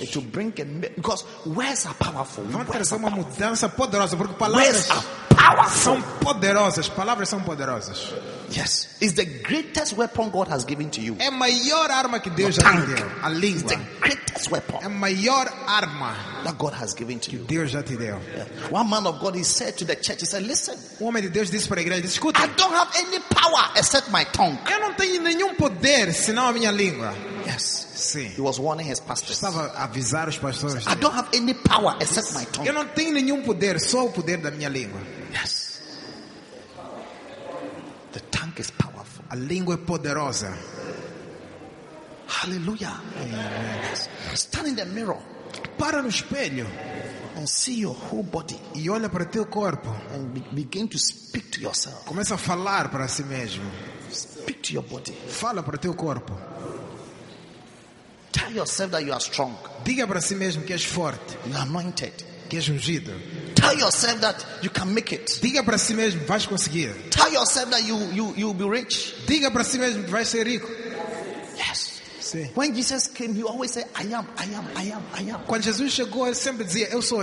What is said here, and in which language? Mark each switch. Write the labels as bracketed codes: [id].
[en] It will bring a because words are powerful. [pt] Vamos trazer uma powerful. Mudança poderosa porque palavras são poderosas. Palavras são poderosas. [en] Yes. It's the greatest weapon God has given to you. [pt] É a maior arma que Deus já te deu. A língua. [en] It's the greatest weapon. [pt] É a maior arma [en] that God has given to you. [pt] Deus já te deu. [en] Yeah. One man of God, he said to the church, he said, listen. [pt] O homem de Deus disse para a igreja, escuta. [en] I don't have any power except my tongue. [pt] Eu não tenho nenhum poder senão a minha língua. [en] Yes. [pt] Sim. [en] He was warning his pastors. [pt] Estava a avisar os pastores. [en] I don't have any power except my tongue. [pt] Eu não tenho nenhum poder, só o poder da minha língua. [en] Yes. The tongue is powerful. [pt] A língua é poderosa. [en] Hallelujah. Amen. Stand in the mirror. [pt] Para no espelho. [en] And see your whole body. [pt] E olha para teu corpo. [en] And begin to speak to yourself. [pt] Começa a falar para si mesmo. [en] Speak to your body. [pt] Fala para teu corpo. [en] Tell yourself that you are strong. [pt] Diga para si mesmo que és forte. [en] You're anointed. [pt] Que és ungido. [en] Tell yourself that you can make it. [pt] Diga para si mesmo, vais conseguir. [en] Tell yourself that you will be rich. [pt] Diga para si mesmo, vais ser rico. [en] Yes. [pt] Sim. [en] When Jesus came, he always said, I am. [pt] Quando Jesus chegou, ele sempre dizia, eu sou.